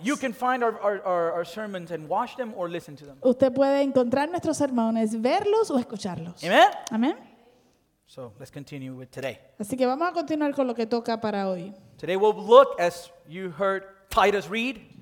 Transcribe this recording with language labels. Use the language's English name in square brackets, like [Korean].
[English] you can find our sermons and watch them or listen to them. [Spanish] Usted puede encontrar nuestros sermones, verlos o escucharlos. [English] Amen. [Spanish] Amen. [English] So let's continue with today. [Spanish] Así que vamos a continuar con lo que toca para hoy. [English] Today we'll look, as you heard Titus read.